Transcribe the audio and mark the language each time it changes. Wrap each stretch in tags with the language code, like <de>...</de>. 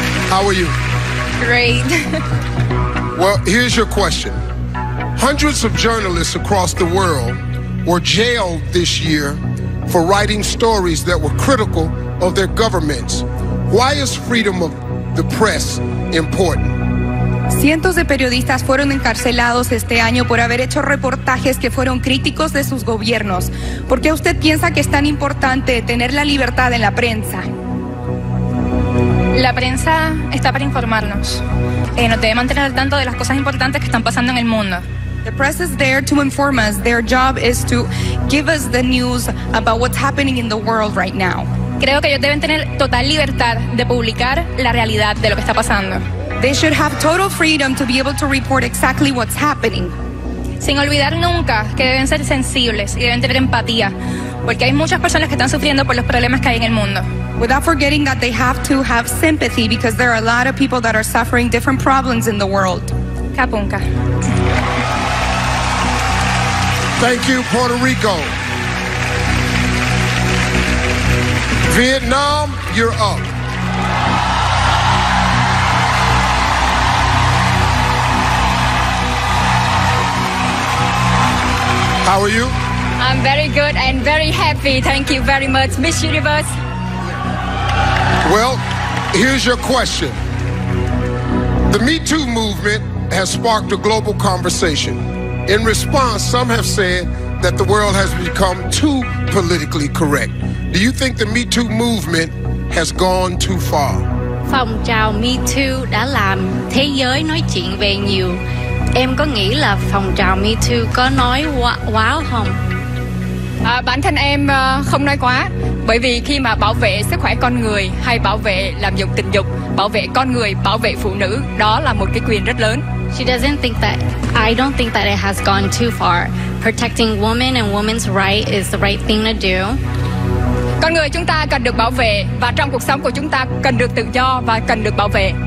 <en>How are you? Great. Well, here's your question. Hundreds of journalists across the world were jailed this year for writing stories that were critical of their governments. Why is freedom of the press important?</en> <es>Cientos de periodistas fueron encarcelados este año por haber hecho reportajes que fueron críticos de sus gobiernos. ¿Por qué usted piensa que es tan importante tener la libertad en la prensa? La prensa está para informarnos. Nos debe mantener al tanto de las cosas importantes que están pasando en el mundo.</es> <en>The press is there to inform us. Their job is to give us the news about what's happening in the world right now.</en> <es>Creo que ellos deben tener total libertad de publicar la realidad de lo que está pasando.</es> <en>They should have total freedom to be able to report exactly what's happening.</en> <es>Sin olvidar nunca que deben ser sensibles y deben tener empatía, porque hay muchas personas que están sufriendo por los problemas que hay en el mundo.</es> <en>Without forgetting that they have to have sympathy, because there are a lot of people that are suffering different problems in the world. Kapunka. Thank you, Puerto Rico. Vietnam, you're up. How are you? I'm very good and very happy. Thank you very much, Miss Universe. Well, here's your question. The Me Too movement has sparked a global conversation. In response, some have said that the world has become too politically correct. Do you think the Me Too movement has gone too far?</en> <vi>Phong trào Me Too đã làm thế giới nói chuyện về nhiều. Em có nghĩ là phong trào Me Too có nói quá không? Bản thân em không nói quá, Bởi vì khi mà bảo vệ sức khỏe con người hay bảo vệ lạm dụng tình dục, bảo vệ con người, bảo vệ phụ nữ, đó là một cái quyền rất lớn.</vi> <en>She doesn't think that, I don't think that it has gone too far. Protecting women and women's right is the right thing to do.</en> <vi>Con người chúng ta cần được bảo vệ và trong cuộc sống của chúng ta cần được tự do và cần được bảo vệ.</vi>